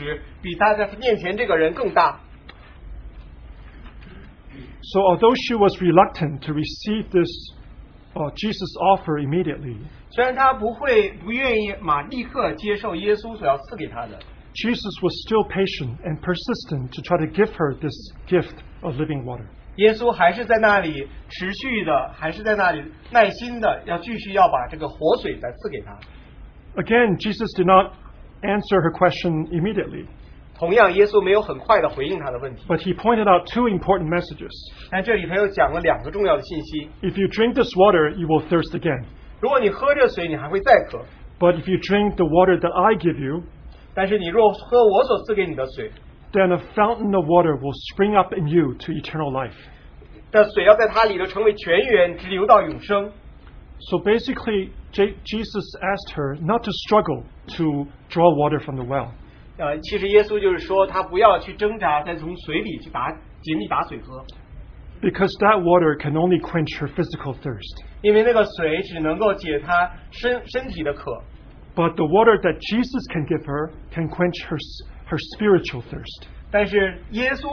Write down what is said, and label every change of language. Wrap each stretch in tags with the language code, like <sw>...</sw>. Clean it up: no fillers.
<zh>然后她就觉得她这个传统和历史比她在面前这个人更大。</zh> <en>So although she was reluctant to receive this Jesus' offer immediately,</en> <zh>虽然他不会不愿意马立刻接受耶稣所要赐给他的,</zh> <en>Jesus was still patient and persistent to try to give her this gift of living water.</en> <zh>耶稣还是在那里持续的，还是在那里耐心的，要继续要把这个活水再赐给他。</zh> <en>Again, Jesus did not answer her question immediately.</en> <zh>同样，耶稣没有很快的回应他的问题。</zh> <en>But he pointed out two important messages.</en> <zh>但这里他又讲了两个重要的信息。</zh> <en>If you drink this water, you will thirst again.</en> <zh>如果你喝这水，你还会再渴。</zh> <en>But if you drink the water that I give you,</en> <zh>但是你若喝我所赐给你的水,</zh> <en>then a fountain of water will spring up in you to eternal life.</en> <zh>这水要在它里头成为泉源，直流到永生。</zh> <en>So basically, Jesus asked her not to struggle to draw water from the well.</en> <zh>其实耶稣就是说，他不要去挣扎，再从水里去打井里打水喝。</zh> <en>Because that water can only quench her physical thirst.</en> <zh>因为那个水只能够解她身体的渴。</zh> <en>But the water that Jesus can give her can quench her spiritual thirst.</en>